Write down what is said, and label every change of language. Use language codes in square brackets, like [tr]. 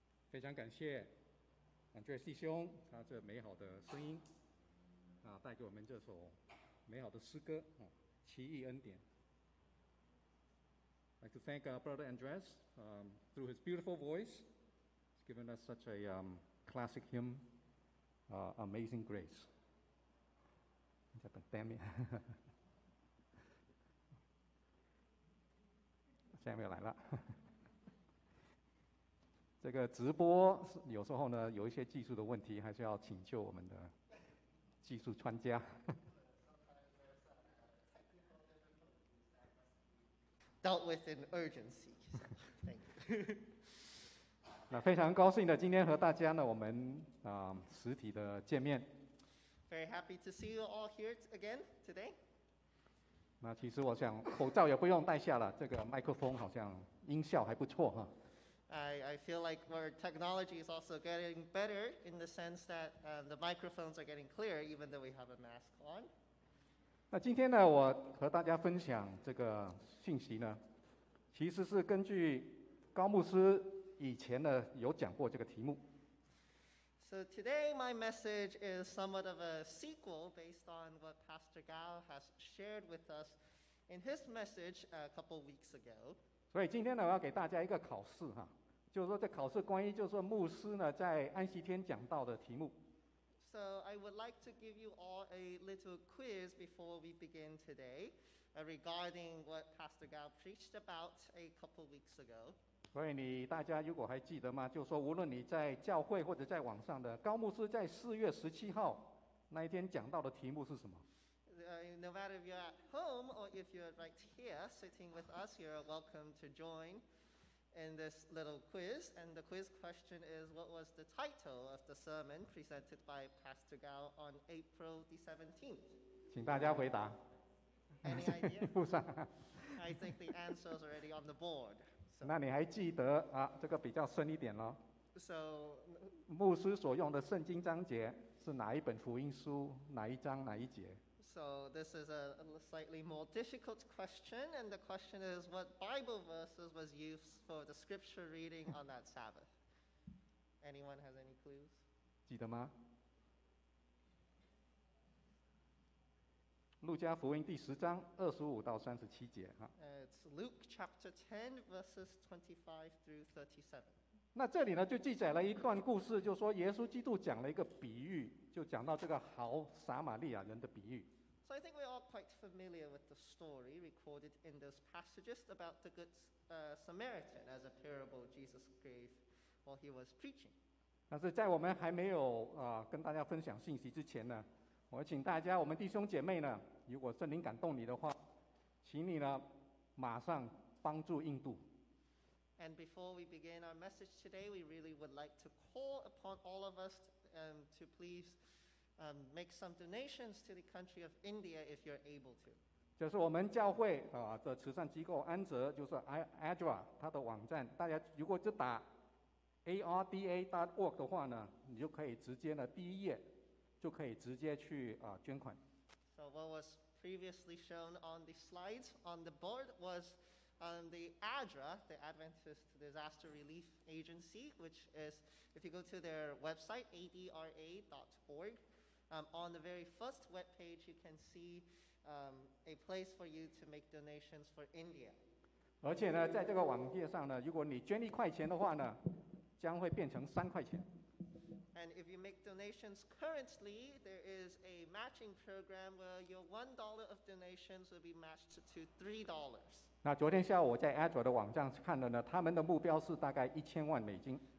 [zh] 非常感谢感觉弟兄他这美好的声音啊，带给我们这首美好的诗歌啊，奇异恩典。 [en] I'd like to thank Brother Andres through his beautiful voice. He's given us such a classic hymn, Amazing Grace. [zh] 你在等 Damien? Samuel 来了。这个直播有时候呢有一些技术的问题，还是要请求我们的技术专家。 [en] Dealt with an urgency. Thank you. [zh] 那非常高兴的今天和大家呢我们实体的见面。 [en] Very happy to see you all here again today. [zh] 那其实我想口罩也不用戴下了，这个麦克风好像音效还不错哈。 [en] I feel like our technology is also getting better in the sense that the microphones are getting clearer even though we have a mask on. [zh] 那今天呢我和大家分享这个信息呢其实是根据高牧师以前呢有讲过这个题目。 [en] So today my message is somewhat of a sequel based on what Pastor Gao has shared with us in his message a couple weeks ago. [zh] 所以今天呢我要给大家一个考试哈，就是说这考试关于就是说牧师呢在安息天讲到的题目。 [en] So I would like to give you all a little quiz before we begin today, regarding what Pastor Gao preached about a couple weeks ago. [zh] 所以你大家如果还记得吗？就是说无论你在教会或者在网上的，高牧师在4月17号那一天讲到的题目是什么？ [en] No matter if you're at home or if you're right here sitting with us, you're welcome to join in this little quiz. And the quiz question is, what was the title of the sermon presented by Pastor Gao on April the 17th? [zh] 请大家回答。 [en] Any idea? I think the answer is already on the board. [zh] So, 那你还记得啊？这个比较深一点咯。 [en] So, [zh] 牧师所用的圣经章节是哪一本福音书？哪一章？哪一节？ [en] So this is a slightly more difficult question, and the question is, what Bible verses was used for the scripture reading on that Sabbath? Anyone has any clues? [zh] 记得吗？路加福音第十章25到37节哈。 [en] It's Luke chapter 10 verses 25 through 37. [zh] 那这里呢就记载了一段故事，就说耶稣基督讲了一个比喻，就讲到这个好撒玛利亚人的比喻。 [en] So I think we're all quite familiar with the story recorded in those passages about the good Samaritan as a parable Jesus gave while he was preaching. [zh] 但是在我们还没有跟大家分享信息之前呢，我请大家，我们弟兄姐妹呢，如果圣灵感动你的话，请你呢马上帮助印度。 [en] And before we begin our message today, we really would like to call upon all of us to please make some donations to the country of India if you're able to. [zh] 就是我们教会的慈善机构安哲，就是 Adra 它的网站，大家如果就打 ARDA.org 的话呢，你就可以直接呢第一页就可以直接去捐款。 [en] So what was previously shown on the slides on the board was the ADRA, the Adventist Disaster Relief Agency, which is, if you go to their website, adra.org, on the very first webpage, you can see a place for you to make donations for India. [zh] 而且呢，在这个网页上呢，如果你捐一块钱的话呢，将会变成3块钱。 [en] And if you make donations currently, there is a matching program where your $1 of donations will be matched to $3. [zh] 那昨天下午我在 Adra 的网站看了呢，他们的目标是大概$10,000。